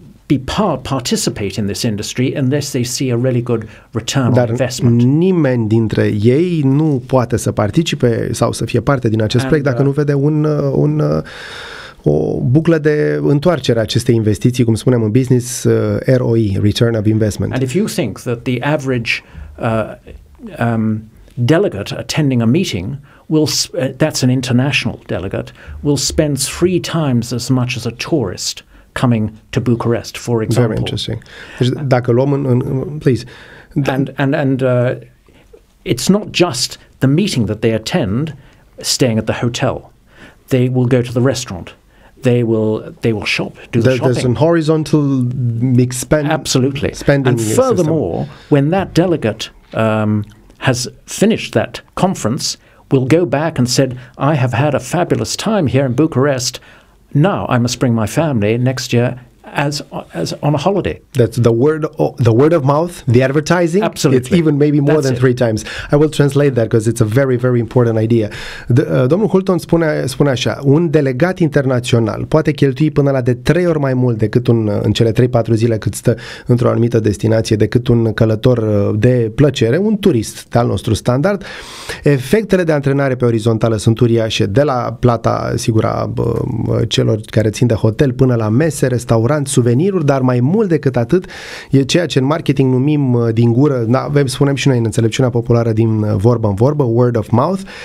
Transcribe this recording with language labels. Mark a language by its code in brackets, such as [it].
[en] be participate in this industry unless they see a really good return on investment. [ro] Dar nimeni dintre ei nu poate să participe sau să fie parte din acest proiect dacă nu vede un o buclă de întoarcere a acestei investiții, cum spunem în business, ROI, [en] return of investment. And if you think that the average delegate attending a meeting will that's an international delegate will spend three times as much as a tourist coming to Bucharest, for example. Very interesting. [ro] Deci, dacă luăm în, [en] please. And it's not just the meeting that they attend staying at the hotel. They will go to the restaurant. They will shop, shopping. There's an horizontal spending. Absolutely. Spending and furthermore, system. When that delegate has finished that conference, will go back and said, I have had a fabulous time here in Bucharest. Now I must bring my family next year as on a holiday. That's the word of mouth, the advertising. Absolutely. It's even maybe more That's than it. Three times. I will translate that because it's a very, very important idea. [ro] Domnul Hulton spune așa, un delegat internațional poate cheltui până la de trei ori mai mult decât în cele 3-4 zile cât stă într-o anumită destinație, decât un călător de plăcere, un turist al nostru standard. Efectele de antrenare pe orizontală sunt uriașe, de la plata, sigur, a celor care țin de hotel până la mese, restaurant, suveniruri, dar mai mult decât atât e ceea ce în marketing numim din gură, spunem și noi în înțelepciunea populară din vorbă în vorbă, [en] word of mouth.